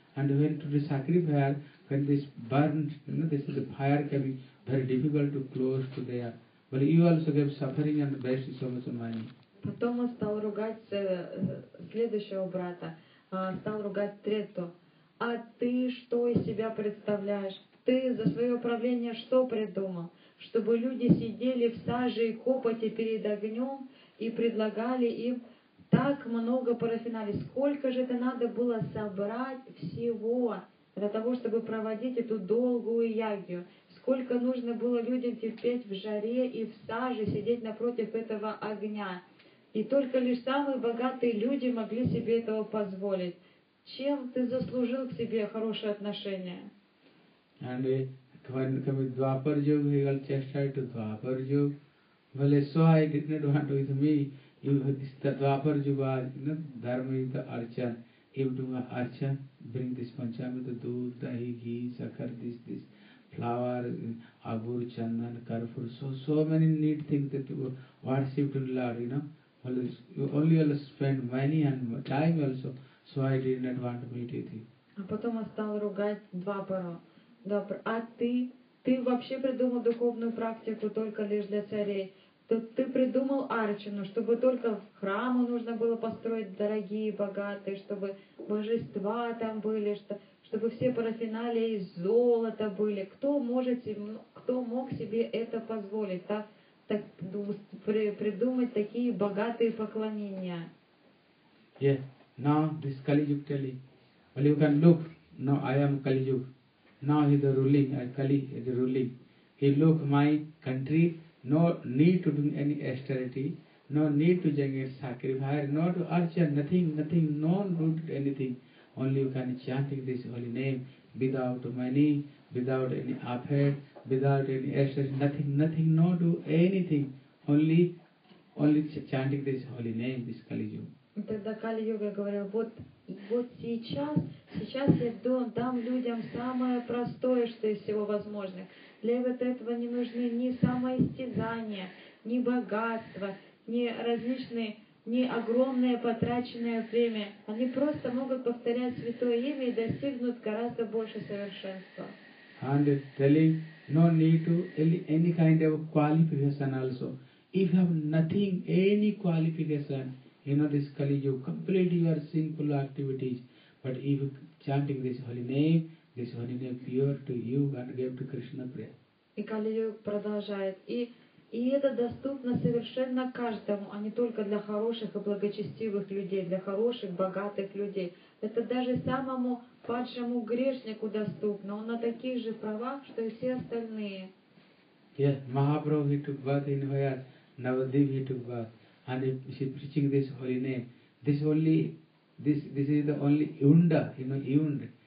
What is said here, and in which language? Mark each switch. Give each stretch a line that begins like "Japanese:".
English: And when to the sacrifice, when this burns, you know, this is the fire coming, very difficult to close to there. But you also gave suffering and waste so much money.
Russian: Потом он стал ругать следующего брата, стал ругать Трету. А ты что из себя представляешь? Ты за свое правление что придумал? Чтобы люди сидели в саже и копоте перед огнем и предлагали им так много парафиналий. Сколько же это надо было собрать всего для того, чтобы проводить эту долгую ягью? Сколько нужно было людям терпеть в жаре и в саже, сидеть напротив этого огня. И только лишь самые богатые люди могли себе этого позволить. Чем ты заслужил к себе хорошее отношение?
English: And when he came to Dwapar Yug, he got chastised to Dwapar Yug. Well, so I did not want with me. This Dwapar Yug was, you know, dharma is the archan. If you do archan, bring this panchamrita, doodh, dahi, ghee, sakar, this. Flower, agur, chandan, karpur, so many neat things that you worship to the Lord, you know. You only spend money and time also, so I did not want to meet with you.
Russian: А потом он стал ругать Двапару. А ты вообще придумал духовную практику только лишь для царей? Ты придумал арчану, чтобы только храму нужно было построить дорогие, богатые, чтобы божества там были, чтобы все парафиналии из золота были. Кто мог себе это позволить? Так придумать такие богатые поклонения.
English: Yes. Now this Kali Yuga tell you. Well, you can look. Now I am Kali Yuga. Now he is the ruling. Kali is the ruling. He look my country. No need to do any austerity. No need to jagya sacrifice. No to archana. Nothing. No need to do anything. Only you can chant this holy name without money, without any effort, without any effort, nothing, no do anything. Only chanting this holy name, this Kali Yuga.
Russian: Тогда Кали Юга говорил, вот сейчас я дам людям самое простое, что из всего возможных. Для этого не нужны ни самоистязания, ни богатства, ни различные. Не огромное потраченное время. Они просто могут повторять святое имя и достигнут гораздо больше совершенства.
English: And telling no need to any kind of qualification also. If you have nothing, any qualification, you know this Kali Yuga, complete your simple activities. But if chanting this holy name pure to you and give to Krishna prayer.
Russian: И Кали Юга продолжает. И это доступно совершенно каждому, а не только для хороших и благочестивых людей, для хороших, богатых людей. Это даже самому падшему грешнику доступно. Он на таких же правах, что и все остальные.
English: Yes, Mahaprabhu he took birth in Vyas, Navadvip he took birth, and he preaching this holy name. This only this is the only Yunda, you know, Yund.